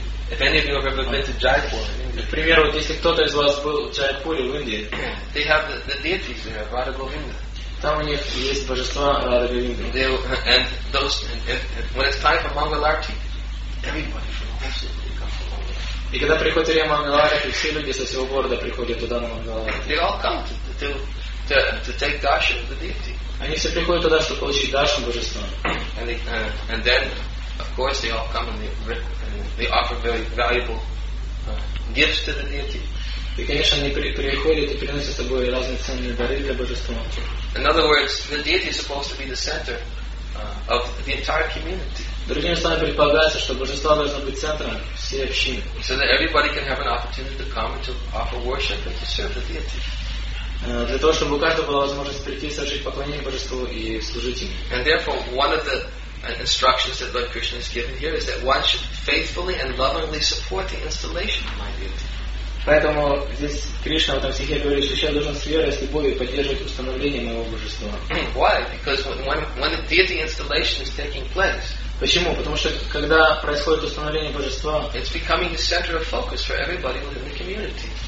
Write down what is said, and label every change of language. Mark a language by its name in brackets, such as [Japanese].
[English] If any of you have ever been to Jaipur, India. [Russian] К примеру, если кто-то из вас был в Джайпуре, в Индии. [English] They have the deities there, Radha Govinda. [Russian] Там у них есть божества Радха Говинда. [English] And when it's time for Mangal Arati, everybody from the whole city. [Russian] И когда приходит время Мангаларати, все люди со всего города приходят туда на Мангаларати. [English] They all come to take darshan of the deity. [Russian] Они все приходят туда, чтобы получить даршан божества. [English] And then, of course, they all come and they offer very valuable gifts to the deity. [Russian] И, конечно, они приходят и приносят с собой разные ценные дары для божества. [English] In other words, the deity is supposed to be the center of the entire community. [Russian] Другими словами, предполагается, что божества должны быть центром всей общины. [English] So that everybody can have an opportunity to come and to offer worship and to serve the deity. [Russian] Для того, чтобы у каждого была возможность прийти и совершить поклонение божеству и служить им. [English] And therefore, one of the instructions that Lord Krishna is given here is that one should faithfully and lovingly support the installation of my deity. [Russian] Поэтому здесь Кришна в этом стихе говорит, что человек должен с верой, с любовью поддерживать установление моего божества. [English] Why? Because when the deity installation is taking place. [Russian] Почему? Потому что когда происходит установление божества, [English] it's becoming the center of focus for everybody within the community.